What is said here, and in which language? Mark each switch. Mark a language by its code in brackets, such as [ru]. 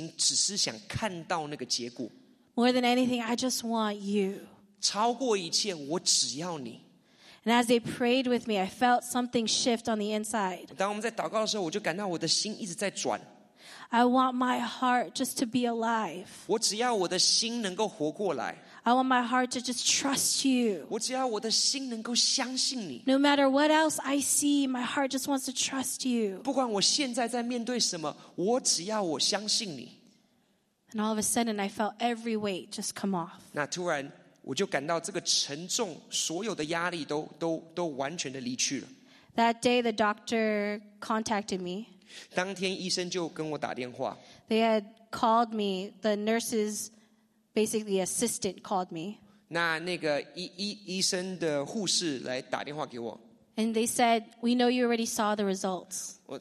[zh] 那我就跟神说，主，我不想要我的心只是想看到那个结果。 [en] More than anything, I just want you. [zh] 超过一切，我只要你。 [en] And as they prayed with me, I felt something shift on the inside. [zh] 当我们在祷告的时候，我就感到我的心一直在转。 [en] I want my heart just to be alive. [zh] 我只要我的心能够活过来。 [en] I want my heart to just trust you. [zh] 我只要我的心能够相信你。 [en] No matter what else I see, my heart just wants to trust you. [zh] 不管我现在在面对什么, 我只要我相信你。 [en] And all of a sudden, I felt every weight just come off. [zh] 那突然我就感到这个沉重, 所有的压力都完全的离去了。 [en] That day, the doctor contacted me. [zh] 当天医生就跟我打电话。 [en] They had called me, the nurses, basically assistant called me. [zh] 那个医生的护士来打电话给我。 [en] And they said, we know you already saw the results.